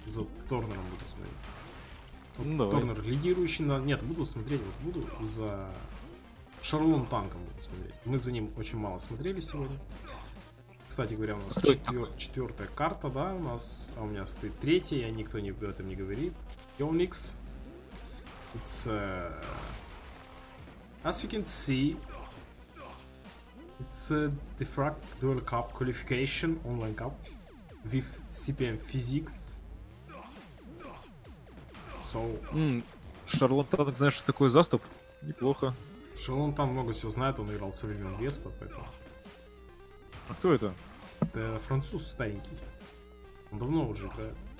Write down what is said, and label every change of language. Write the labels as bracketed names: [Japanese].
[Russian] За Торнером буду смотреть. Ну, Торнер лидирующий на... Нет, буду смотреть, вот буду за... Шарлон Танком буду смотреть. Мы за ним очень мало смотрели сегодня. Кстати говоря, у нас четвертая карта, да, у нас... А у меня стоит третья, я никто не об этом не говорит. Йоникс. [English] It's, as you can see, it's a Defrag Duel Cup qualification, online cup, with CPM Physics. So... [Russian] Шарлантан, знаешь, что такое заступ? Неплохо. Шарлантан много всего знает, он играл со времен Веспа, поэтому... А кто это? Это француз старенький. Он давно уже играет.